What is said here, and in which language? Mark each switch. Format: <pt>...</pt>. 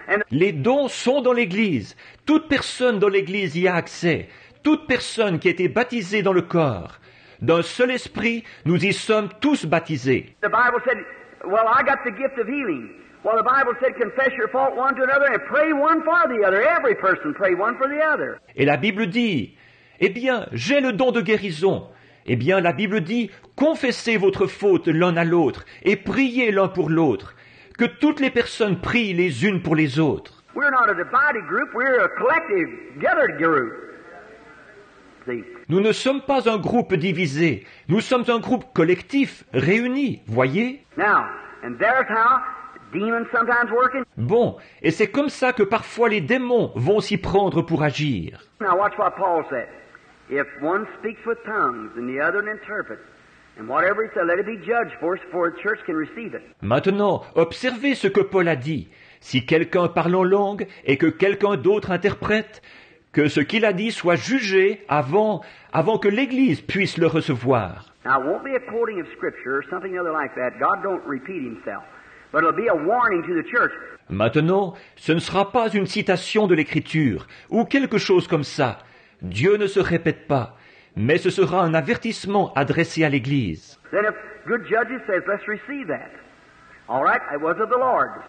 <fr>Les dons sont dans l'Église. Toute personne dans l'Église y a accès. Toute personne qui a été baptisée dans le corps, d'un seul esprit, nous y sommes tous baptisés.</fr> <en>The Bible said, well, I got the gift of healing. Well, the Bible said, confess your fault one to another and pray one for the other. Every person pray one for the other.</en> <fr>Et la Bible dit, eh bien, j'ai le don de guérison. Eh bien, la Bible dit, confessez votre faute l'un à l'autre et priez l'un pour l'autre. Que toutes les personnes prient les unes pour les autres.</fr> <en>We're not a divided group, we're a collective, gathered group.</en> <fr>Nous ne sommes pas un groupe divisé. Nous sommes un groupe collectif, réuni, voyez.</fr> <en>Now, and there's how demons sometimes work in.</en> <fr>Bon, et c'est comme ça que parfois les démons vont s'y prendre pour agir.</fr> <en>Now watch what Paul said. If one speaks with tongues and the other interprets, and whatever he said, let it be judged for the church can receive it.</en> <fr>Maintenant, observez ce que Paul a dit. Si quelqu'un parle en langue et que quelqu'un d'autre interprète, que ce qu'il a dit soit jugé avant que l'Église puisse le recevoir.</fr> <en>Now, it won't be a quoting of scripture or something other like that. God don't repeat himself. But it'll be a warning to the church.</en> <fr>Maintenant, ce ne sera pas une citation de l'Écriture ou quelque chose comme ça. Dieu ne se répète pas. Mais ce sera un avertissement adressé à l'Église.</fr> <en>Then if good judges says, let's receive that. All right, it was of the Lord.</en>